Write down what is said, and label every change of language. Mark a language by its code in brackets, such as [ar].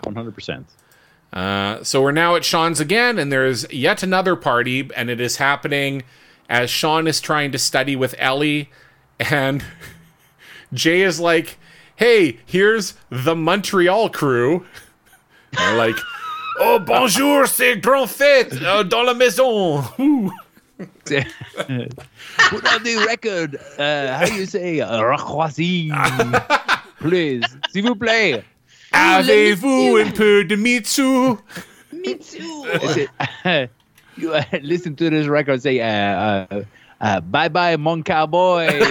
[en] 100%. So we're now at Sean's again, and there's yet another party, and it is happening as Sean is trying to study with Ellie, and Jay is like, hey, here's the Montreal crew. They're like, [fr] oh, bonjour, c'est grand fête dans la maison. [en] Put on the record. How do you say? [fr] Racroisie. Please, s'il vous plaît. Avez-vous un peu de Mitsu? Mitsu. [en] You listen to this record, say, bye-bye, [fr] mon cowboy.